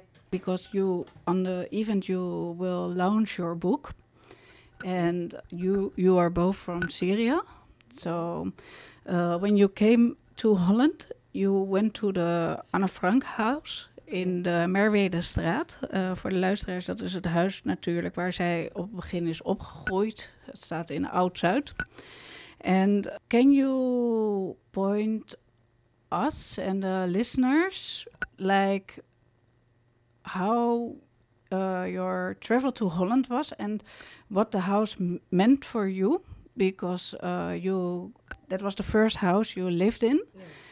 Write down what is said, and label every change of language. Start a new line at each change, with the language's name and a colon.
English: Because you, on the event, you will launch your book, and you are both from Syria. So when you came to Holland, you went to the Anne Frank House in de Merwedestraat.
Dutch: Voor de luisteraars, dat is het huis natuurlijk waar zij op het begin is opgegroeid. Het staat in Oud-Zuid.
English: And can you point us and the listeners like how your travel to Holland was and what the house meant for you, because that was the first house you lived in. Yeah.